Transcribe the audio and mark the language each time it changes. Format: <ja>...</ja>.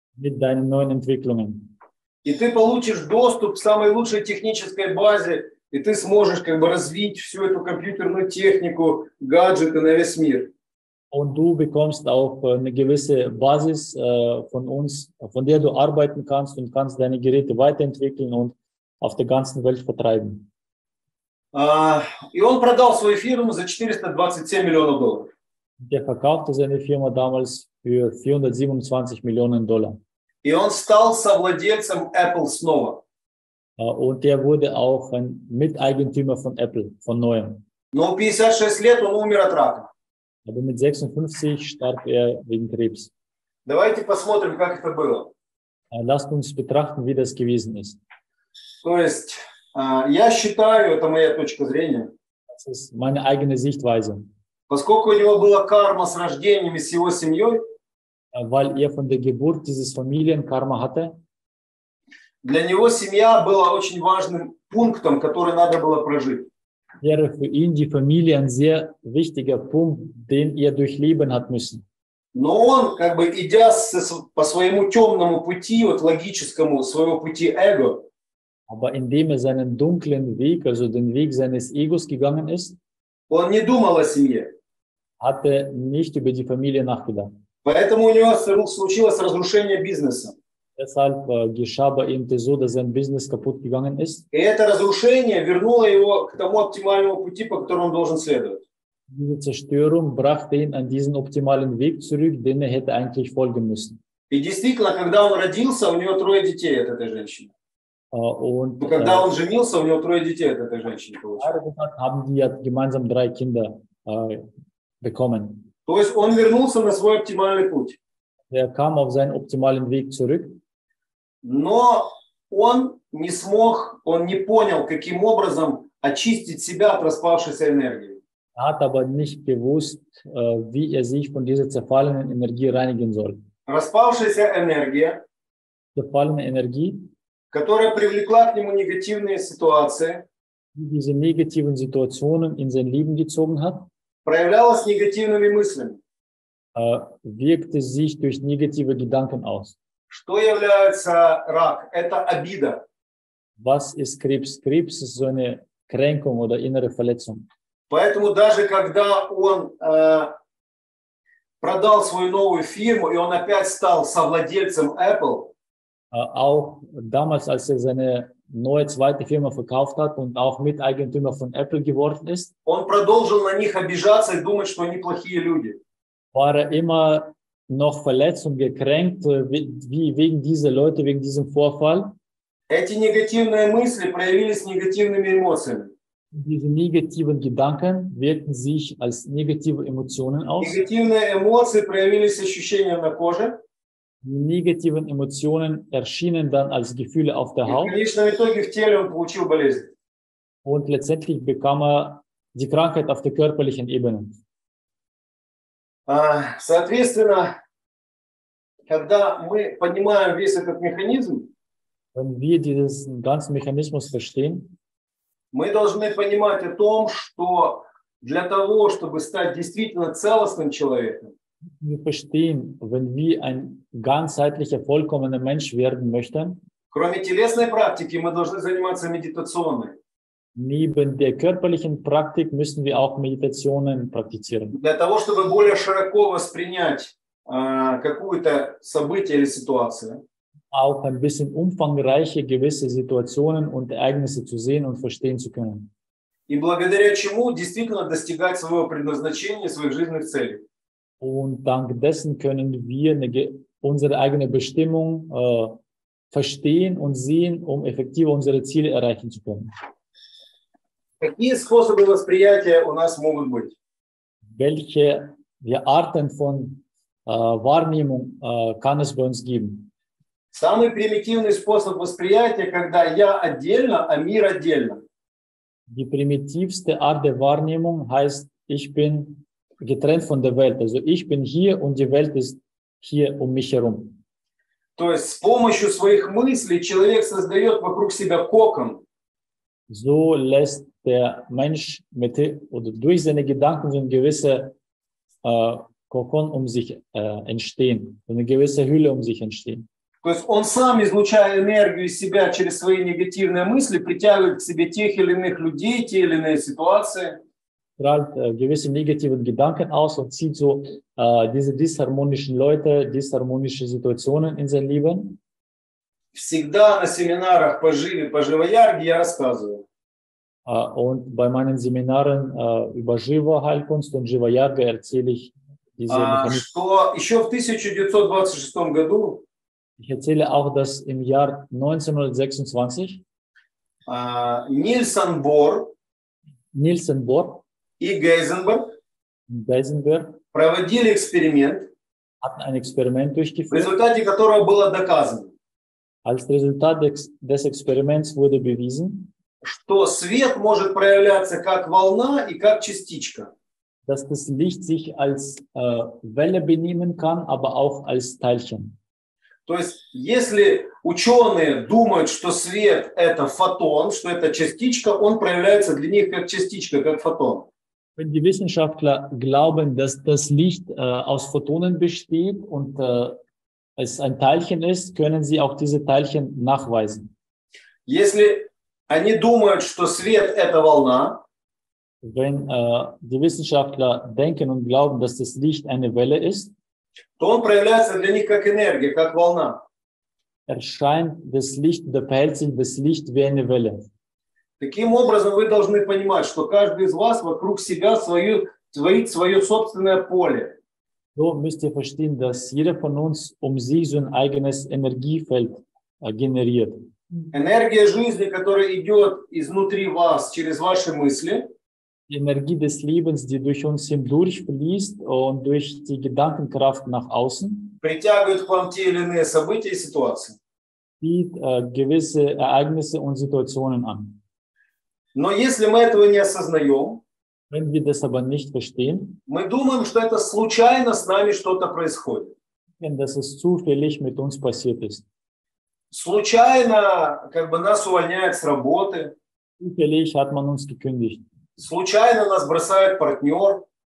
<de>Mit deinen neuen Entwicklungen.</de> <ru>И ты получишь доступ к самой лучшей технической базе, и ты сможешь как бы развить всю эту компьютерную технику, гаджеты на весь мир.</ru> <de>Und du bekommst auch eine gewisse Basis von uns, von der du arbeiten kannst und kannst deine Geräte weiterentwickeln und auf der ganzen Welt vertreiben.</de> <ru>И он продал свою фирму за 427 миллионов долларов.</ru> <de>Der verkaufte seine Firma damals für 427 Millionen Dollar.</de> <ru>И он стал совладельцем Apple снова.</ru> <de>Und er wurde auch ein Miteigentümer von Apple, von neuem.</de> <ru>Но 56 лет он умер от рака.</ru> <de>Aber mit 56 starb er wegen Krebs.</de> <ru>Давайте посмотрим, как это было.</ru> <de>Lasst uns betrachten, wie das gewesen ist.</de> <ru>То есть, я считаю, это моя точка зрения.</ru> <de>Das ist meine eigene Sichtweise.</de> <ru>Поскольку у него была карма с рождением и с его семьей,</ru> <de>weil er von der Geburt dieses Familienkarma hatte,</de> <ru>для него семья была очень важным пунктом, который надо было прожить.</ru> <de>Wäre für ihn die Familie ein sehr wichtiger Punkt, den er durchleben hat müssen.</de> <ru>Но он, как бы, идя по своему темному пути, вот логическому, своего пути эго,</ru> <de>aber indem er seinen dunklen Weg, also den Weg seines Egos gegangen ist,</de> <ru>он не думал о семье.</ru> <de>Hatte nicht über die Familie nachgedacht.</de> <ru>Поэтому у него случилось разрушение бизнеса.</ru> <de>Deshalb geschah bei ihm das so, dass sein Business kaputt gegangen ist.</de> <ru>И это разрушение вернуло его к тому оптимальному пути, по которому он должен следовать.</ru> <de>Diese Zerstörung brachte ihn an diesen optimalen Weg zurück, den er hätte eigentlich folgen müssen.</de> <ru>И действительно, когда он родился, у него трое детей от этой женщины.</ru> <de>Und</de> <ru>когда он женился, у него трое детей от этой женщины получилось.</ru> <de>Haben die ja gemeinsam drei Kinder bekommen.</de> <ru>То есть он вернулся на свой оптимальный путь.</ru> <de>Er kam auf seinen optimalen Weg zurück.</de> <ru>Но он не смог, он не понял, каким образом очистить себя от распавшейся энергии.</ru> <de>Er hat aber nicht gewusst, wie er sich von dieser zerfallenen Energie reinigen soll.</de> <ru>Распавшаяся энергия,</ru> <de>zerfallene Energie,</de> <ru>которая привлекла к нему негативные ситуации,</ru> <de>die diese negativen Situationen in sein Leben gezogen hat,</de> <ru>проявлялась негативными мыслями,</ru> <de>wirkte sich durch negative Gedanken aus.</de> <ru>Что является рак? Это обида.</ru> <de>Was ist Krebs? Krebs ist so eine Kränkung oder innere Verletzung.</de> <ru>Поэтому даже когда он продал свою новую фирму и он опять стал совладельцем Apple,</ru> <de>auch damals, als er seine neue zweite Firma verkauft hat und auch Miteigentümer von Apple geworden ist,</de> <ru>он продолжил на них обижаться и думать, что они плохие люди.</ru> <de>War er immer noch verletzt und gekränkt wegen dieser Leute, wegen diesem Vorfall?</de> <ru>Эти негативные мысли проявились негативными эмоциями.</ru> <de>Diese negativen Gedanken wirken sich als negative Emotionen aus.</de> <ru>Негативные эмоции проявились ощущением на коже.</ru> <de>Die negativen Emotionen erschienen dann als Gefühle auf der Haut.</de> <ru>И в конечном итоге в теле он получил болезнь.</ru> <de>Und letztendlich bekam er die Krankheit auf der körperlichen Ebene.</de> <ru>Соответственно, когда мы понимаем весь этот механизм,</ru> <de>wenn wir diesen ganzen Mechanismus verstehen,</de> <ru>мы должны понимать о том, что для того, чтобы стать действительно целостным человеком, мы</ru> <de>verstehen, wenn wir ein ganzheitlicher, vollkommener Mensch werden möchten,</de> <ru>кроме телесной практики, мы должны заниматься медитационной.</ru> <de>Neben der körperlichen Praktik müssen wir auch Meditationen praktizieren.</de> <ru>Для того, чтобы более широко воспринять какое-то событие или ситуацию,</ru> <de>auch ein bisschen umfangreiche gewisse Situationen und Ereignisse zu sehen und verstehen zu können.</de> <ru>И благодаря чему действительно достигать своего предназначения, своих жизненных целей.</ru> <de>Und dank dessen können wir unsere eigene Bestimmung verstehen und sehen, um effektiv unsere Ziele erreichen zu können.</de> <ru>Какие способы восприятия у нас могут быть?</ru> <de>Welche Arten von Wahrnehmung kann es bei uns geben?</de> <ru>Самый примитивный способ восприятия, когда я отдельно, а мир отдельно.</ru> <de>Die primitivste Art der Wahrnehmung heißt, ich bin getrennt von der Welt. Also ich bin hier und die Welt ist hier um mich herum.</de> <ru>То есть с помощью своих мыслей человек создает вокруг себя кокон.</ru> <de>So lässt der Mensch mit oder durch seine Gedanken so ein gewisser Kokon um sich entstehen, eine gewisse Hülle um sich entstehen.</de> <ru>То есть он сам, излучая энергию из себя через свои негативные мысли, притягивает к себе тех или иных людей, те или иные ситуации.</ru> <de>Strahlt gewisse negative Gedanken aus und zieht so diese disharmonischen Leute, disharmonische Situationen in sein Leben.</de> <ru>Всегда на семинарах по Живе, по Живоярге я рассказываю.</ru> <de>Und bei meinen Seminaren über Живо Heilkunst und Живоярга erzähle ich diese Mechanismen.</de> <ru>Что еще в 1926 году,</ru> <de>ich erzähle auch, dass im Jahr 1926</de> <ru>Niels Bohr</ru> <de>Niels Bohr</de> <ru>и Гейзенберг</ru> <de>Geisinger,</de> <ru>проводили эксперимент,</ru> <de>ein Experiment durchgeführt,</de> <ru>в результате которого было доказано,</ru> <de>als Resultat des Experiments wurde bewiesen,</de> <ru>что свет может проявляться как волна и как частичка.</ru> <de>Dass das Licht sich als Welle benehmen kann, aber auch als Teilchen.</de> <ru>То есть, если ученые думают, что свет – это фотон, что это частичка, он проявляется для них как частичка, как фотон.</ru> <de>Wenn die Wissenschaftler glauben, dass das Licht aus Photonen besteht und es ein Teilchen ist, können sie auch diese Teilchen nachweisen.</de> <ru>Если они думают, что свет – это волна,</ru> <de>wenn die Wissenschaftler denken und glauben, dass das Licht eine Welle ist,</de> <ru>то он проявляется для них как энергия, как волна.</ru> <de>Erscheint das Licht, der verhält sich das Licht wie eine Welle.</de> <ru>Таким образом, вы должны понимать, что каждый из вас вокруг себя творит свое собственное поле.</ru> <de>So müsst ihr verstehen, dass jeder von uns um sich so ein eigenes Energiefeld generiert.</de> <ru>Энергия жизни, которая идет изнутри вас, через ваши мысли,</ru> <de>die Energie des Lebens, die durch uns hindurch fließt und durch die Gedankenkraft nach außen,</de> <ru>притягивает к вам те или иные события и ситуации,</ru> <de>zieht gewisse Ereignisse und Situationen an.</de> <ru>Но если мы этого не осознаем,</ru> <de>wenn wir das aber nicht verstehen,</de> <ru>мы думаем, что это случайно с нами что-то происходит,</ru> <de>denn dass es zufällig mit uns passiert ist.</de> <ru>Случайно как бы нас увольняют с работы,</ru> <de>zufällig hat man uns gekündigt.</de> <ru>Случайно нас бросает партнер.</ru>